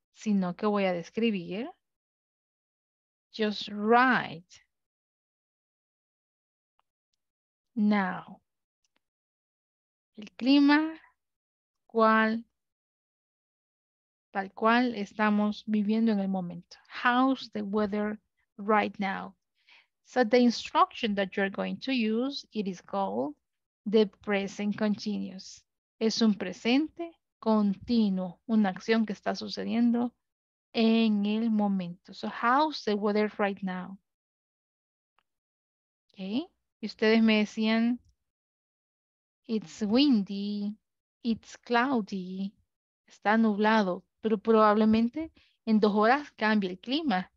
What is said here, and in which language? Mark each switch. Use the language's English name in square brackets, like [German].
[Spanish] Sino que voy a describir. [English] Just write. [Spanish] Now. El clima, tal cual estamos viviendo en el momento. [English] How's the weather right now? So the instruction that you're going to use, it is called the present continuous. [Spanish] Es un presente continuo, una acción que está sucediendo en el momento. [English] So how's the weather right now? [Spanish] Okay. Y ustedes me decían, [English] it's windy, it's cloudy, [Spanish] está nublado, pero probablemente en 2 horas cambie el clima.